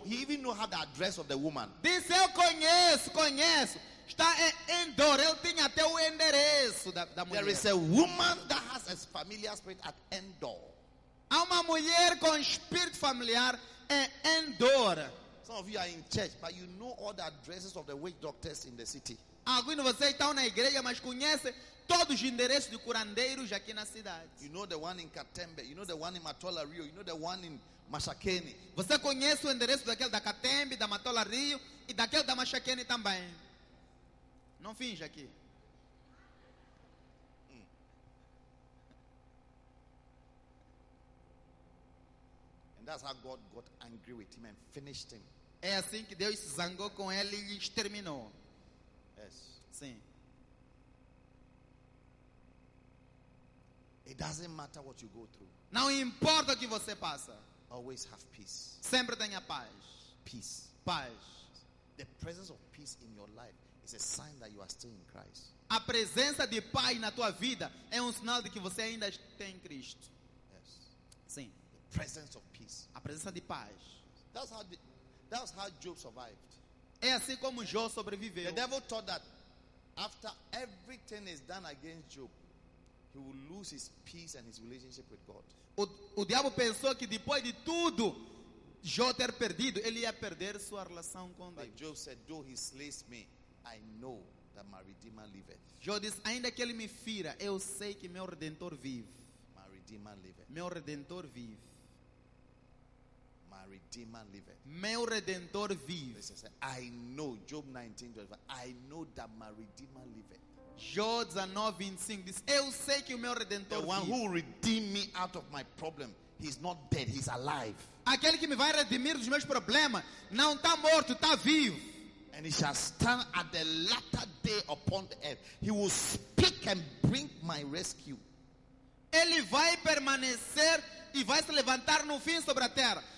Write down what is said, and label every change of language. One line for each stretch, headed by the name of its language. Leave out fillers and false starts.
English: He even knew her the address of the woman.
Portuguese: Disse, eu conheço. Está em Indo. Ele tinha até o endereço da mulher.
English: There is a woman that has a familiar spirit at Indo.
Portuguese: Há uma mulher com espírito familiar em Indo.
English: Some of you are in church, but you know all the addresses of the witch doctors in the city.
Portuguese: Alguns de vocês estão na igreja, mas conhece todos os endereços de curandeiros aqui na cidade.
English: You know the one in Katembe, you know the one in Matola Rio, you know the one in Mashakene.
Portuguese: Você conhece o endereço daquele da Katembe, da Matola Rio e daquele da Mashakene também. Não finja aqui.
English: And that's how God got angry with him and finished him.
Portuguese: É assim que Deus se zangou com ele e exterminou.
English: Yes.
Portuguese: Sim.
English: It doesn't matter what you go through.
Portuguese: Não importa o que você passa.
English: Always have peace.
Portuguese: Sempre tenha paz.
English: Peace.
Portuguese: Paz.
English: The presence of peace in your life is a sign that you are still in Christ.
Portuguese: A presença de paz na tua vida é um sinal de que você ainda tem Cristo.
English: Yes.
Portuguese: Sim.
English: The presence of peace.
Portuguese: A presença de paz.
English: That's how Job survived.
Portuguese: É assim como Jó sobreviveu.
English: The devil thought that after everything is done against Job, he will lose his peace and his relationship with God.
Portuguese: O diabo pensou que depois de tudo Jó ter perdido, ele ia perder sua relação com Deus.
English: But Job said, though he slays me, I know that my Redeemer liveth.
Portuguese: Jó disse, ainda que ele me fira, eu sei que meu Redentor vive.
English: My Redeemer liveth.
Portuguese: Meu Redentor vive.
English: My Redeemer liveth.
Portuguese: Meu Redentor vive.
English: Listen, say, I know, Job 19:25, I know that my Redeemer liveth.
Portuguese: Jó 19:25 diz, eu sei que o meu Redentor vive.
English: The one who redeemed me out of my problem, he's not dead, he's alive.
Portuguese: Aquele que me vai redimir dos meus problemas, não está morto, está vivo.
English: And he shall stand at the latter day upon the earth. He will speak and bring my rescue.
Portuguese: Ele vai permanecer e vai se levantar no fim sobre a terra.